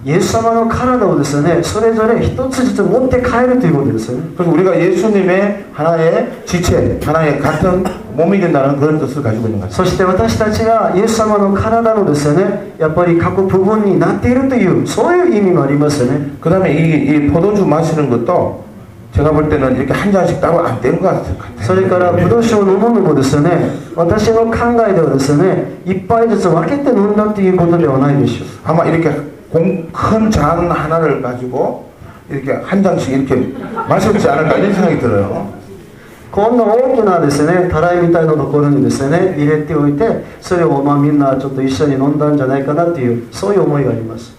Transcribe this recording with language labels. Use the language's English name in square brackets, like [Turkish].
[Japanese] 예수様の体をですね、それぞれ一つずつ持って帰るということですよね。 [Korean] 그래서우리가예수님의하나의지체、하나의같은몸이된다는그런뜻을가지고있는 것입니다。 [Japanese] そして私たちが예수様の体のですね、やっぱり各部分になっているというそういう意味もありますよね。 [Korean] 그다음에 이포도주마시는것도제가볼때는이렇게한잔씩따로안되는것같아요 [Japanese] それから葡萄酒を飲むのもですね、私の考えではですね、一杯ずつ分けて飲んだということではないでしょう。 [Korean] 아마이렇게큰잔하나를가지고이렇게한잔씩이렇게마셨지않을까이런생각이들어요。 [Japanese] こんな大きなですね、たらいみたいなところにですね、入れておいて、それをまあみんなちょっと一緒に飲んだんじゃないかなっていうそういう思いがあります。